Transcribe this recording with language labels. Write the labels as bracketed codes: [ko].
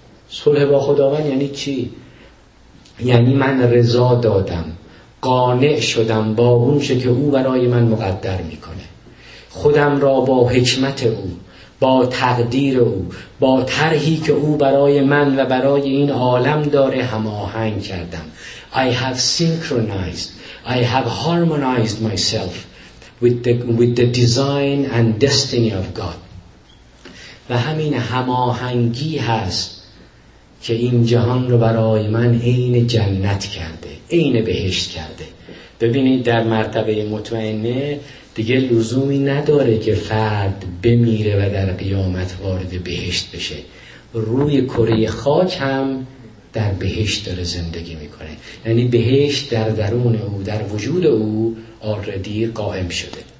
[fa] صلح با خداوند یعنی چی؟ یعنی من رضا دادم، قانع شدم با اون چه که او برای من مقدر میکنه، خودم را با حکمت او، با تقدیر او، با طرحی که او برای من و برای این عالم داره هماهنگ کردم. [en] I have synchronized, I have harmonized myself with the design and destiny of God. [fa] و همین هماهنگی هست که این جهان رو برای من عین جنت کرده، عین بهشت کرده. ببینید در مرتبه مطمئنه دیگه لزومی نداره که فرد بمیره و در قیامت وارد بهشت بشه، روی کره خاک هم در بهشت داره زندگی میکنه، یعنی بهشت در درون او، در وجود او آردی قائم شده.